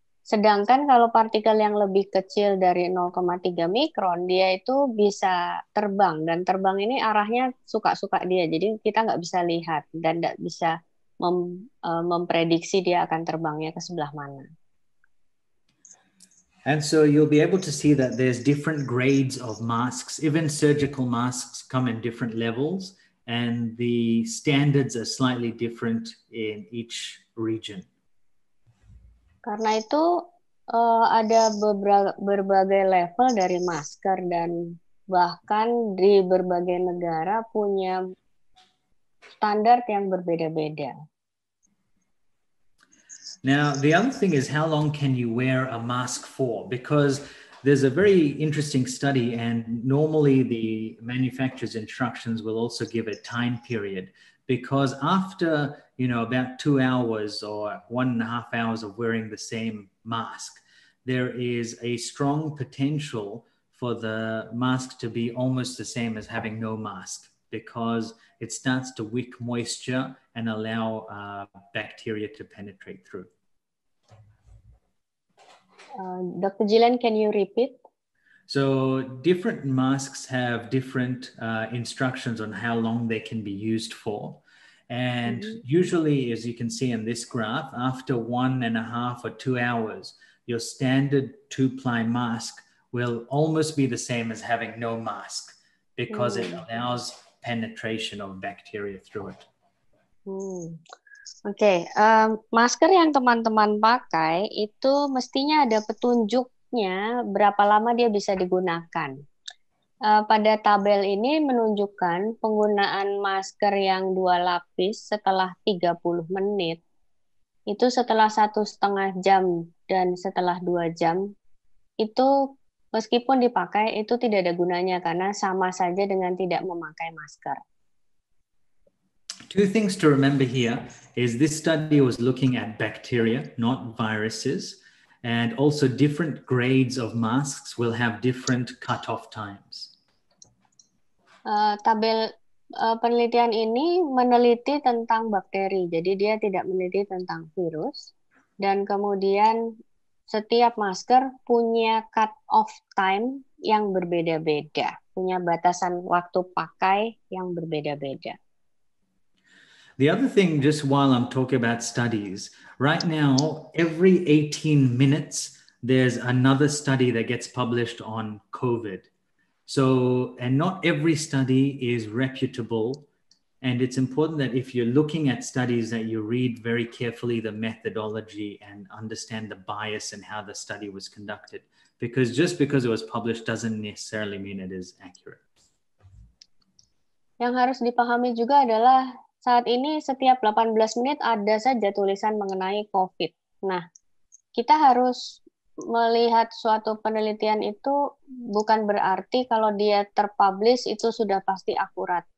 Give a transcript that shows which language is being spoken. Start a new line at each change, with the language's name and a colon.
Indonesian: Sedangkan kalau partikel yang lebih kecil dari 0,3 mikron, dia itu bisa terbang, dan terbang ini arahnya suka-suka dia, jadi kita nggak bisa lihat dan nggak bisa memprediksi dia akan terbangnya ke sebelah mana.
English: And so you'll be able to see that there's different grades of masks. Even surgical masks come in different levels, and the standards are slightly different in each region.
Indonesian: Karena itu ada berbagai level dari masker, dan bahkan di berbagai negara punya standar yang berbeda-beda.
English: Now, the other thing is, how long can you wear a mask for? Because there's a very interesting study, and normally the manufacturer's instructions will also give a time period. Because after, you know, about 2 hours or 1.5 hours of wearing the same mask, there is a strong potential for the mask to be almost the same as having no mask, because it starts to wick moisture and allow bacteria to penetrate through. Dr. Jilan, can you repeat? So different masks have different instructions on how long they can be used for. And mm-hmm. usually, as you can see in this graph, after 1.5 or 2 hours, your standard 2-ply mask will almost be the same as having no mask, because mm-hmm. it allows penetration of bacteria through it.
Indonesian: Oke, masker yang teman-teman pakai itu mestinya ada petunjuknya berapa lama dia bisa digunakan. Pada tabel ini menunjukkan penggunaan masker yang 2 lapis setelah 30 menit, itu setelah 1,5 jam dan setelah 2 jam, itu meskipun dipakai itu tidak ada gunanya karena sama saja dengan tidak memakai masker.
English: Two things to remember here is this study was looking at bacteria, not viruses, and also different grades of masks will have different cutoff times.
Indonesian: Tabel Penelitian ini meneliti tentang bakteri, jadi dia tidak meneliti tentang virus. Dan kemudian setiap masker punya cut-off time yang berbeda-beda, punya batasan waktu pakai yang berbeda-beda.
English: The other thing, just while I'm talking about studies, right now, every 18 minutes, there's another study that gets published on COVID. So, and not every study is reputable. And it's important that if you're looking at studies that you read very carefully the methodology and understand the bias and how the study was conducted. Because just because it was published doesn't necessarily mean it is accurate.
Indonesian: Yang harus dipahami juga adalah saat ini setiap 18 menit ada saja tulisan mengenai COVID. Nah, kita harus melihat suatu penelitian itu bukan berarti kalau dia terpublish itu sudah pasti akurat.